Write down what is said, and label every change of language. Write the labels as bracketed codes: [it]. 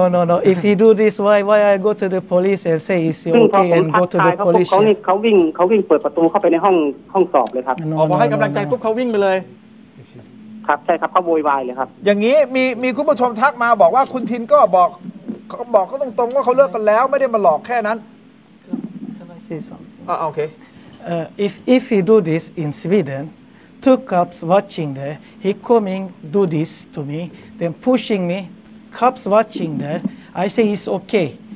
[en] no if he do this why I go to the police and say it's okay and go to the police [th] เขาวิ่งเปิดประตูเข้าไปในห้องสอบเลยครับ ออกมาให้กำลังใจปุ๊บเขาวิ่งไปเลย ครับใช่ครับเขาโวยวายเลยครับ อย่างนี้มีคุณผู้ชมทักมาบอกว่าคุณทินก็บอกก็ตรงๆว่าเขาเลิกกันแล้วไม่ได้มาหลอกแค่นั้น [en] Can I say something? Okay. If he do this in Sweden, two cops watching there, he coming do this to me, then pushing me, cops watching there, I say it's okay.